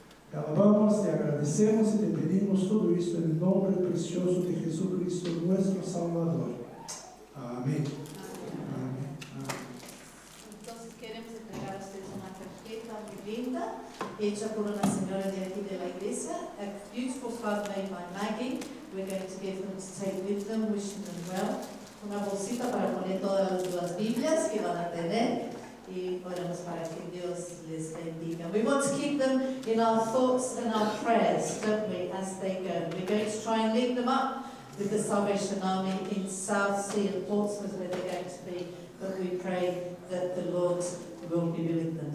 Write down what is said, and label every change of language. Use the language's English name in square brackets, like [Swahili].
[Spanish] Te alabamos, te agradecemos y te pedimos todo esto en el nombre precioso de Jesucristo, nuestro Salvador. Amén. Amén. Amén. Amén. Entonces queremos entregar a ustedes una tarjeta muy linda, hecha por una señora de aquí de la iglesia, [English] a beautiful card made by Maggie. We're going to give them to take with them, wishing them well. [Spanish] Una bolsita para poner todas las Biblias que van a tener. Y oramos para que Dios les bendiga. [English] We want to keep them in our thoughts and our prayers, don't we, as they go. We're going to try and link them up with the Salvation Army in Southsea and Portsmouth, where they're going to be. But we pray that the Lord will be with them.